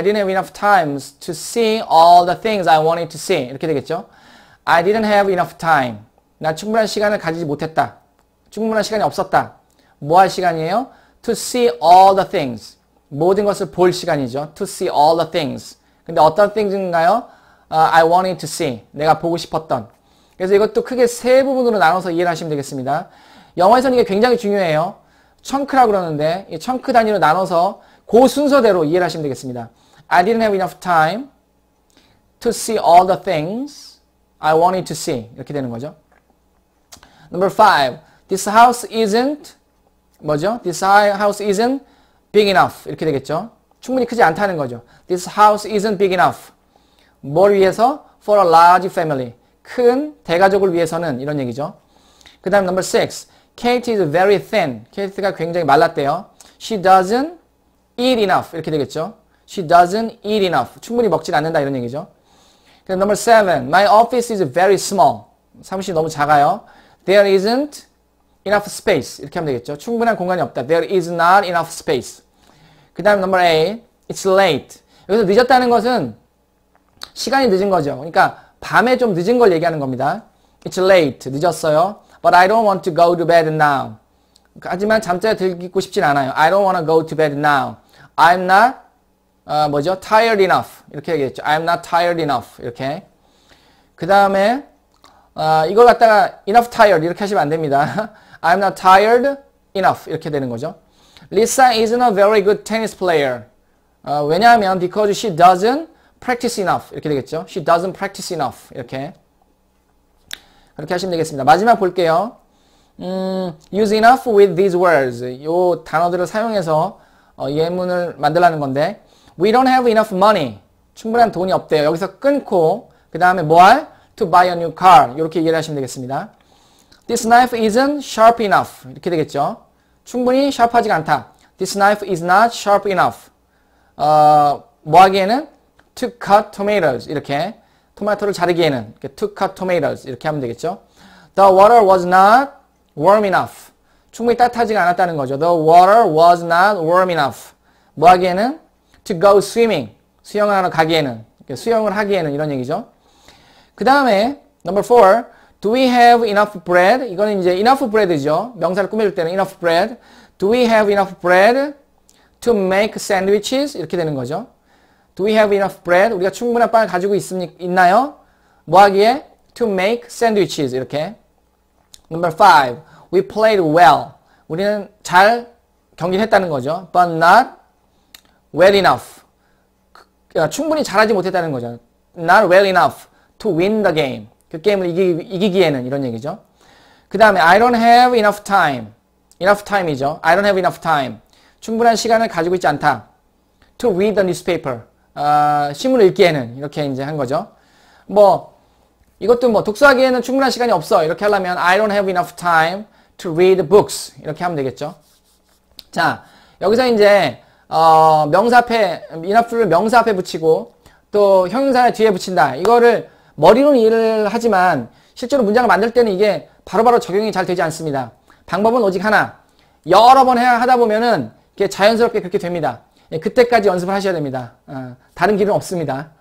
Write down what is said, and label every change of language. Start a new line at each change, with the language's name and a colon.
English: I didn't have enough times to see all the things I wanted to see.
Korean: 이렇게 되겠죠?
English: I didn't have enough time.
Korean: 나 충분한 시간을 가지지 못했다. 충분한 시간이 없었다. 뭐할 시간이에요?
English: To see all the things.
Korean: 모든 것을 볼 시간이죠.
English: To see all the things.
Korean: 근데 어떤 things인가요?
English: I wanted to see.
Korean: 내가 보고 싶었던. 그래서 이것도 크게 세 부분으로 나눠서 이해를 하시면 되겠습니다. 영어에서는 이게 굉장히 중요해요. 청크라고 그러는데 이 청크 단위로 나눠서 그 순서대로 이해를 하시면 되겠습니다.
English: I didn't have enough time to see all the things I wanted to see.
Korean: 이렇게 되는 거죠.
English: Number five. This house isn't
Korean: 뭐죠?
English: This house isn't big enough.
Korean: 이렇게 되겠죠. 충분히 크지 않다는 거죠.
English: This house isn't big enough.
Korean: 뭘 위해서?
English: For a large family.
Korean: 큰 대가족을 위해서는 이런 얘기죠. 그 다음
English: number six. Kate is very thin.
Korean: Kate가 굉장히 말랐대요.
English: She doesn't eat enough. 이렇게 되겠죠. She doesn't eat enough.
Korean: 충분히 먹질 않는다 이런 얘기죠. 그 다음
English: number seven. My office is very small.
Korean: 사무실이 너무 작아요.
English: There isn't enough space.
Korean: 이렇게 하면 되겠죠. 충분한 공간이 없다.
English: There is not enough space.
Korean: 그 다음
English: number eight. It's late.
Korean: 여기서 늦었다는 것은 시간이 늦은 거죠. 그러니까 밤에 좀 늦은 걸 얘기하는 겁니다. It's late. 늦었어요.
English: But I don't want to go to bed now.
Korean: 하지만 잠자리에 들고 싶진 않아요.
English: I don't want to go to bed now. I'm not,
Korean: 뭐죠?
English: Tired enough. 이렇게 얘기했죠. I'm not tired enough. 이렇게.
Korean: 그 다음에, 이걸 갖다가 enough tired 이렇게 하시면 안 됩니다.
English: I'm not tired enough. 이렇게 되는 거죠. Lisa isn't a very good tennis player.
Korean: 왜냐하면
English: because she doesn't practice enough.
Korean: 이렇게 되겠죠.
English: She doesn't practice enough.
Korean: 이렇게. 그렇게 하시면 되겠습니다. 마지막 볼게요.
English: Use enough with these words.
Korean: 이 단어들을 사용해서 예문을 만들라는 건데
English: We don't have enough money.
Korean: 충분한 돈이 없대요. 여기서 끊고 그 다음에 뭐할?
English: To buy a new car.
Korean: 이렇게 얘기를 하시면 되겠습니다.
English: This knife isn't sharp enough.
Korean: 이렇게 되겠죠. 충분히 샤프하지가 않다.
English: This knife is not sharp enough.
Korean: 뭐 하기에는?
English: To cut tomatoes. 이렇게.
Korean: 토마토를 자르기에는.
English: To cut tomatoes.
Korean: 이렇게 하면 되겠죠.
English: The water was not warm enough.
Korean: 충분히 따뜻하지가 않았다는 거죠.
English: The water was not warm enough.
Korean: 뭐 하기에는?
English: To go swimming.
Korean: 수영하러 가기에는. 수영을 하기에는. 이런 얘기죠. 그 다음에
English: number 4. Do we have enough bread?
Korean: 이거는 이제 enough bread죠. 명사를 꾸밀 때는 enough bread.
English: Do we have enough bread to make sandwiches?
Korean: 이렇게 되는 거죠.
English: Do we have enough bread?
Korean: 우리가 충분한 빵을 가지고 있나요? 뭐 하기에?
English: To make sandwiches. 이렇게. Number 5. We played well.
Korean: 우리는 잘 경기를 했다는 거죠.
English: But not well enough.
Korean: 충분히 잘하지 못했다는 거죠.
English: Not well enough to win the game.
Korean: 그 게임을 이기기에는 이런 얘기죠.
English: 그 다음에 I don't have enough time. Enough time이죠. I don't have enough time.
Korean: 충분한 시간을 가지고 있지 않다.
English: To read the newspaper.
Korean: 신문을 읽기에는 이렇게 이제 한 거죠. 뭐 이것도 뭐 독서하기에는 충분한 시간이 없어. 이렇게 하려면
English: I don't have enough time to read books.
Korean: 이렇게 하면 되겠죠. 자 여기서 이제 명사 앞에 enough를 명사 앞에 붙이고 또 형용사를 뒤에 붙인다. 이거를 머리로는 이해를 하지만 실제로 문장을 만들 때는 이게 바로바로 적용이 잘 되지 않습니다. 방법은 오직 하나. 여러 번 하다 보면은 이게 자연스럽게 그렇게 됩니다. 예, 그때까지 연습을 하셔야 됩니다. 다른 길은 없습니다.